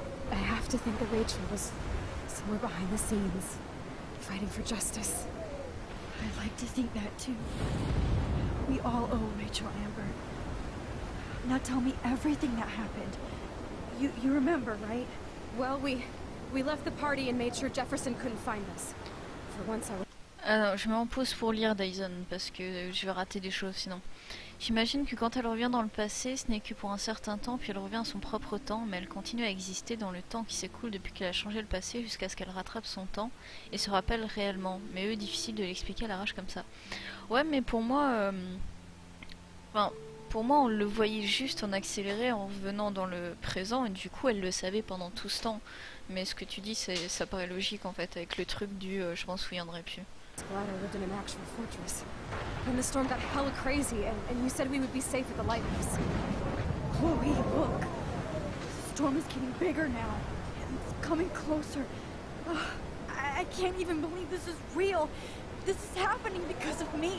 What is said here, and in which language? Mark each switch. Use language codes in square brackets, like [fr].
[en] I have to think that Rachel was somewhere behind the scenes, fighting for justice. I'd like to think that too. We all owe Rachel Amber. Now tell me everything that happened. You remember, right? Well, we left the party and made sure Jefferson couldn't find us. For once, I was... [fr] Alors, je mets en pause pour lire Dyson, parce que je vais rater des choses sinon. J'imagine que quand elle revient dans le passé, ce n'est que pour un certain temps, puis elle revient à son propre temps, mais elle continue à exister dans le temps qui s'écoule depuis qu'elle a changé le passé jusqu'à ce qu'elle rattrape son temps et se rappelle réellement. Mais eux, difficile de l'expliquer à l'arrache comme ça. Ouais, mais pour moi... pour moi, on le voyait juste en accéléré en revenant dans le présent, et du coup, elle le savait pendant tout ce temps. Mais ce que tu dis, c'est, ça paraît logique, en fait, avec le truc du « je m'en souviendrai plus ». [en] Glad I lived in an actual fortress. Then the storm got hella crazy, and you said we would be safe at the lighthouse. Chloe, look! The storm is getting bigger now. It's coming closer. I can't even believe this is real. This is happening because of me.